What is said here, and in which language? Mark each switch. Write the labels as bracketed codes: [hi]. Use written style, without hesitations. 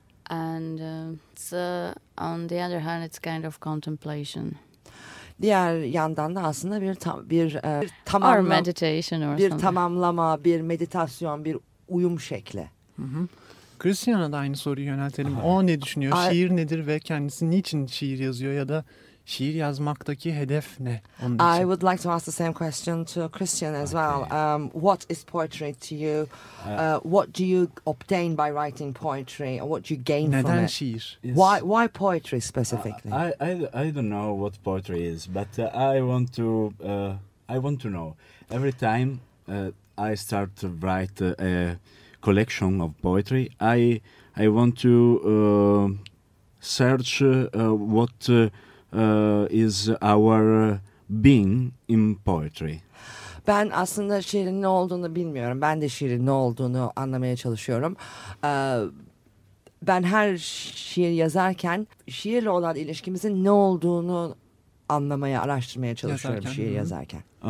[en] And so on the other hand it's kind of contemplation. [tr] Diğer yandan da aslında bir meditasyon, bir uyum şekli. Christian'a da aynı soruyu yöneltelim. O ne düşünüyor? Şiir nedir ve kendisi niçin şiir yazıyor ya da şiir yazmaktaki hedef ne? [en] I would like to ask the same question to Christian as well. What is poetry to you? What do you obtain by writing poetry? Or what do you gain [tr] neden [en] from it? [tr] Neden şiir? Yes. [en] Why poetry specifically? I don't know what poetry is, but I want to know. Every time I start to write a collection of poetry, I want to search what is our being in poetry. [tr] Ben aslında şiirin ne olduğunu bilmiyorum. Ben de şiirin ne olduğunu anlamaya çalışıyorum. ben her şiir yazarken şiirle olan ilişkimizin ne olduğunu anlamaya, araştırmaya çalışıyorum yazarken, şiir yazarken.